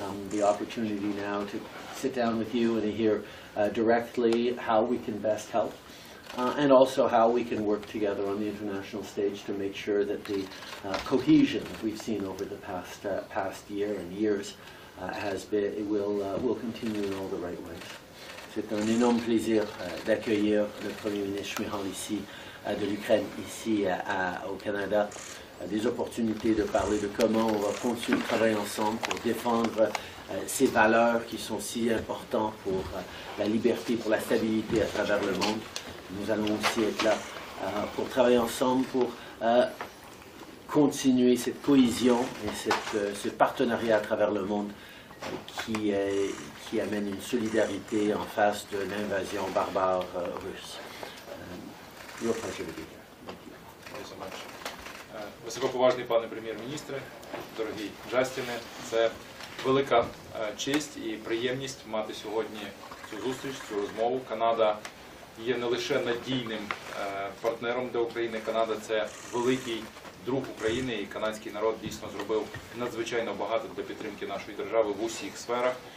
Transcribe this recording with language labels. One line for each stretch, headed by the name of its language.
English: The opportunity now to sit down with you and to hear directly how we can best help, and also how we can work together on the international stage to make sure that the cohesion that we've seen over the past year and years will continue in all the right ways.
French: C'est un énorme plaisir d'accueillir le Premier ministre Shmyhal ici de l'Ukraine ici au Canada. Des opportunités de parler de comment on va continuer de travailler ensemble pour défendre ces valeurs qui sont si importantes pour la liberté, pour la stabilité à travers le monde. Nous allons aussi être là pour travailler ensemble pour continuer cette cohésion et ce partenariat à travers le monde qui amène une solidarité en face de l'invasion barbare russe.
English: Your pleasure to be here. Thank you so much.
Ukrainian: Високоповажний пане прем'єр-міністре, дорогі Джастіне, це велика честь і приємність мати сьогодні цю зустріч, цю розмову. Канада є не лише надійним партнером для України, Канада – це великий друг України, і канадський народ дійсно зробив надзвичайно багато для підтримки нашої держави в усіх сферах.